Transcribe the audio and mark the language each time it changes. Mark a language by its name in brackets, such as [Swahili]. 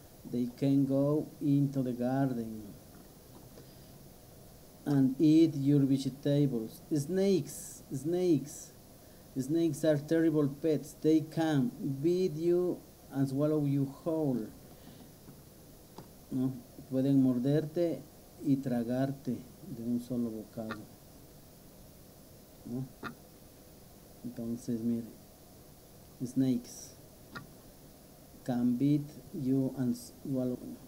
[English] They can go into the garden and eat your vegetables. Snakes are terrible pets. They can bite you and swallow you whole. [Spanish] Pueden morderte y tragarte de un solo bocado. Entonces, mire, [English] snakes can bite you and swallow.